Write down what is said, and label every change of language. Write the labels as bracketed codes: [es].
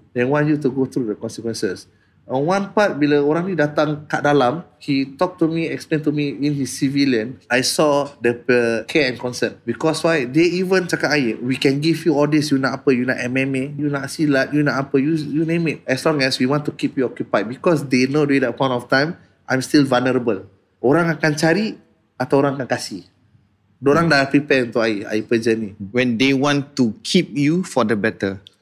[en] They want you to go through the consequences. On one part, [ms] bila orang ni datang kat dalam, [en] he talk to me, explain to me in his civilian, I saw the care and concern. Because why? They even [ms] cakap ayat, [en] we can give you all this, you [ms] nak apa, [en] you nak MMA, you nak silat, you nak apa, you name it. As long as we want to keep you occupied. Because they know during that point of time, I'm still vulnerable. [ms] Orang akan cari atau orang akan kasih. Diorang dah prepare untuk ayat perjalanan ni. [en] When they want to keep you for the better.